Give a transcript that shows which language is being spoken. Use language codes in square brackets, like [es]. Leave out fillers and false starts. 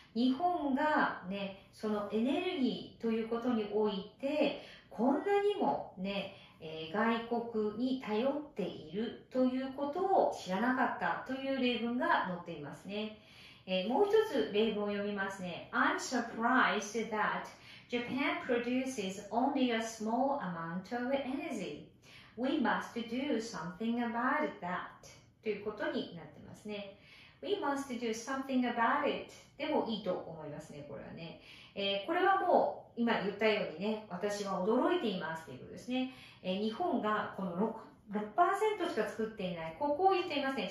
[ja] 日本がね、そのエネルギーということにおいて、こんなにもね、外国に頼っているということを知らなかったという例文が載っていますね。もう一つ例文を読みますね。 [en] I'm surprised that Japan produces only a small amount of energy. We must do something about that. [ja] ということになってますね。 [en] We must do something about it. [ja] でもいいと思いますね、これはね。これはもう今言ったようにね、私は驚いていますということですね。日本がこの 6% しか作っていない、ここを言っていますね。